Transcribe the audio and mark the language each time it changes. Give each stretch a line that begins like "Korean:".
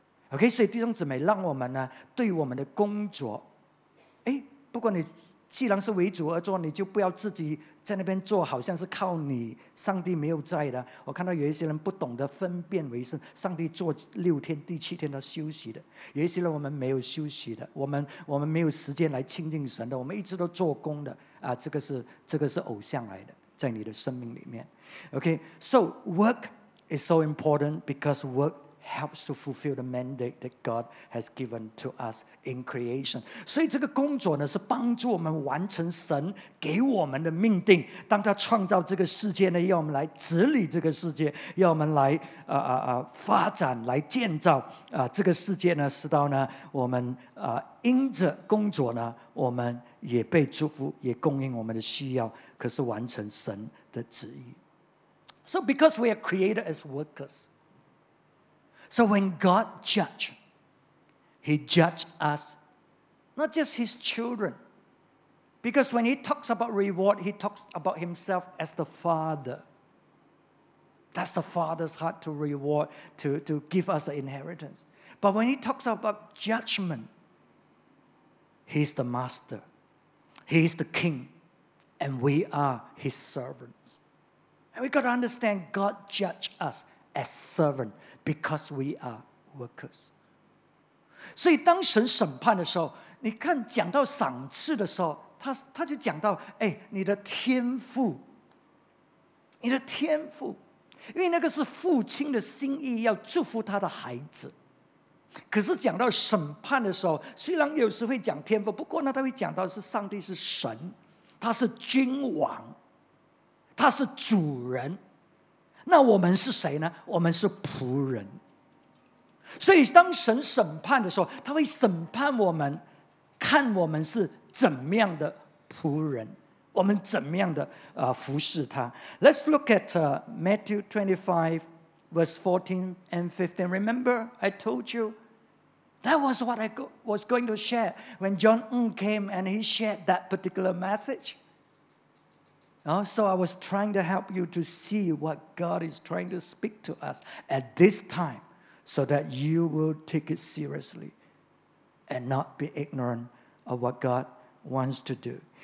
Chinese: OK， 所以弟兄姊妹，让我们呢对我们的工作，不过你既然是为主而做，你就不要自己在那边做好像是靠你，上帝没有在的。我看到有一些人不懂得分辨为圣，上帝做六天第七天的休息的，有一些人我们没有休息的，我们没有时间来亲近神的，我们一直都做工的啊，这个是偶像来的，在你的生命里面。
English: OK， so work is so important because workhelps to fulfill the mandate that God has given to us in creation.
Chinese: 所以这个工作呢，是帮助我们完成神给我们的命定。当他创造这个世界呢，要我们来治理这个世界，要我们来发展，来建造这个世界呢，使到呢，我们因着工作呢，我们也被祝福，也供应我们的需要，可是完成神的旨意。
English: So because we are created as workers. So when God judged, He judged us, not just His children. Because when He talks about reward, He talks about Himself as the Father. That's the Father's heart to reward, to give us the inheritance. But when He talks about judgment, He's the Master. He's the King. And we are His servants. And we've got to understand God judged us as servants. Because we are workers.
Chinese: 所以当神审判的时候，你看讲到赏赐的时候， 他就讲到哎，你的天父，你的天父，因为那个是父亲的心意，要祝福他的孩子。可是讲到审判的时候，虽然有时会讲天父，不过呢他会讲到是上帝是神，他是君王，他是主人。那我们是谁呢？我们是仆人。所以当神审判的时候，他会审判我们，看我们是怎么样的仆人，我们怎么样的服侍他。
English: Let's look at Matthew 25 verse 14 and 15. Remember I told you that was what I was going to share when John Ng came and he shared that particular messageSo I was trying to help you to see what God is trying to speak to us at this time so that you will take it seriously and not be ignorant of what God wants to do.